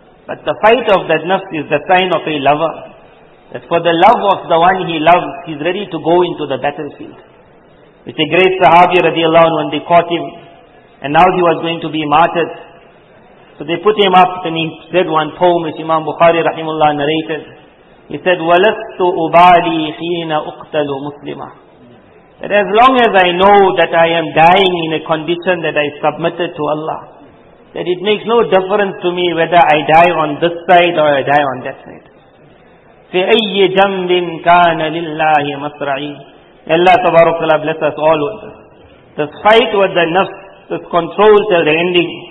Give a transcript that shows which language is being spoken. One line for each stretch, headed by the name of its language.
English: But the fight of that nafs is the sign of a lover. That for the love of the one he loves, he's ready to go into the battlefield. With a great sahabi radiallahu anhu, when they caught him, and now he was going to be martyred. So they put him up and he said one poem which Imam Bukhari rahimullah narrated.
Arabic: He said, وَلَسْتُ أُبَالِي حِينَ أُقْتَلُ مُسْلِمًا.
English: That as long as I know that I am dying in a condition that I submitted to Allah, that it makes no difference to me whether I die on this side or I die on that side.
Arabic: فَأَيِّ جَنْبٍ كَانَ لِلَّهِ مَسْرَعِي.
English: Allah subhanahu wa ta'ala bless us all with this. This fight with the nafs, this control till the ending.